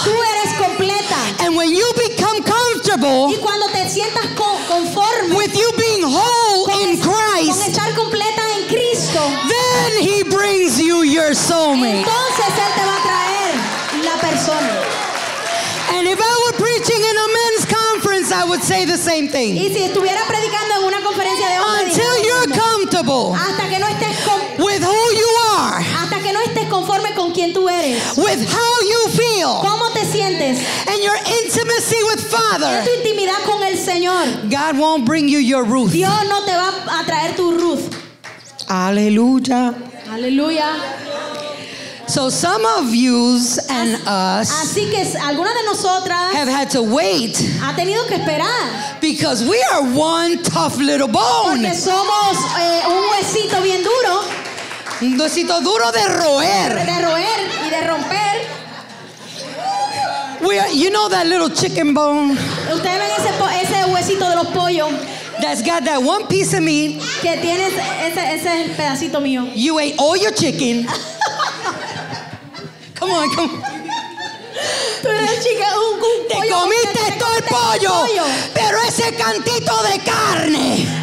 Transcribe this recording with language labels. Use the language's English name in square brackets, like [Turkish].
[Spanish] Tú eres completa. [English] And when you become comfortable, [Spanish] y cuando te sientas conforme [English] with you being whole in Christ, [Spanish] con estar completa en Cristo, [English] then he brings you your soulmate. [Spanish] Entonces él te va a traer la persona. [English] And if I were preaching in a men's conference, I would say the same thing. [Spanish] Y si estuviera predicando en una conferencia de hombres, [English] until you're comfortable, [Spanish] hasta que no estés [English] with who you are, [Spanish] hasta que no estés conforme con quien tú eres, [English] with how you feel, [Spanish] cómo te sientes, [English] and your intimacy with Father, [Spanish] tu intimidad con el Señor, [English] God won't bring you your Ruth. [Spanish] Dios no te va a traer tu Ruth. Aleluya. Aleluya. [English] So some of yous and us, [Spanish] así que algunas de nosotras, [English] have had to wait, [Spanish] ha tenido que esperar, [English] because we are one tough little bone, [Spanish] porque somos un huesito bien duro, un huesito duro de roer, de roer y de romper. [English] We are, you know that little chicken bone, [Spanish] ustedes ven ese huesito de los pollos, [English] that's got that one piece of meat, [Spanish] que tiene ese es el pedacito mío. [English] You ate all your chicken. Come on, come on. [Spanish] Tú eres chica, un te pollo, comiste todo el pollo, pero ese cantito de carne.